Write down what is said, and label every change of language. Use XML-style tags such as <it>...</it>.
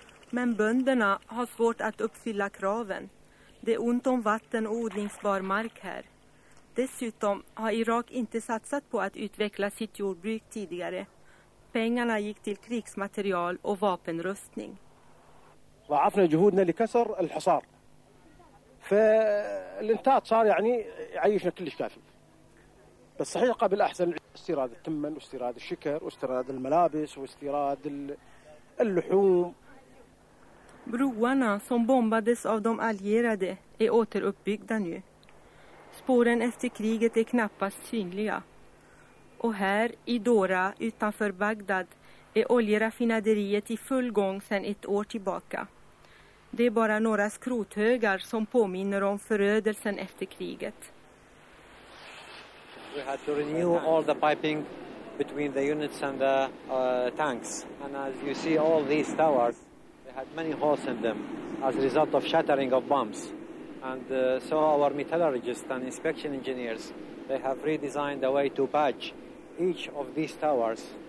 <sv>Men bönderna har svårt att uppfylla kraven. Det är ont om vatten och odlingsbar mark här. Dessutom har Irak inte satsat på att utveckla sitt jordbruk tidigare. Pengarna gick till krigsmaterial och vapenrustning.</sv> <ar>ضعفنا جهودنا لكسر الحصار فالانتاج صار يعني يعيشنا كلش كافي بس صحيح قبل احسن استيراد التمن واستيراد الشكر واستيراد الملابس واستيراد اللحوم.</ar> <sv>Broarna som bombades av de allierade är återuppbyggda nu. Spåren efter kriget är knappast synliga. Och här i Dora utanför Bagdad är oljeraffinaderiet i full gång sedan ett år tillbaka. Det är bara några skrothögar som påminner om förödelsen efter kriget.</sv> <en>We had to renew all the piping between the units and the tanks. And as you see all these towers, they had many holes in them as a result of shattering of bombs. And so our metallurgists and inspection engineers, they have redesigned a way to patch each of these towers.</en>